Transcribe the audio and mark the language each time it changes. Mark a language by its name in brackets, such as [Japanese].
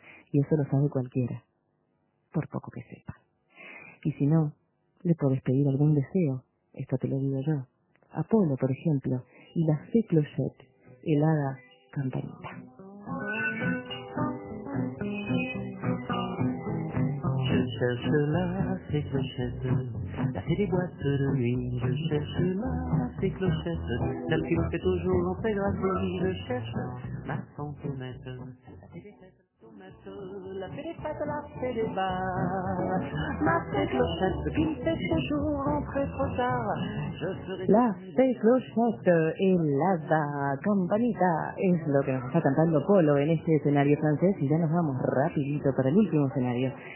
[Spanish] Y eso lo sabe cualquiera, por poco que sepa. Y si no, le puedes pedir algún deseo, esto te lo digo yo, Apolo, por ejemplo, y la Fée Clochette, el hada campanita. [French] Je cherche la fée clochette, la fée des boîtes de nuit. Je cherche la fée clochette, celle qui me fait toujours l'entrée de la folie. Je cherche ma fantômette, la fée des fêtes, la fée des bars. Ma fée clochette qui me fait toujours rentrer trop tard. [Spanish] La fée clochette et la da campanita es lo que nos está cantando Polo en este escenario francés, y ya nos vamos rapidito para el último escenario.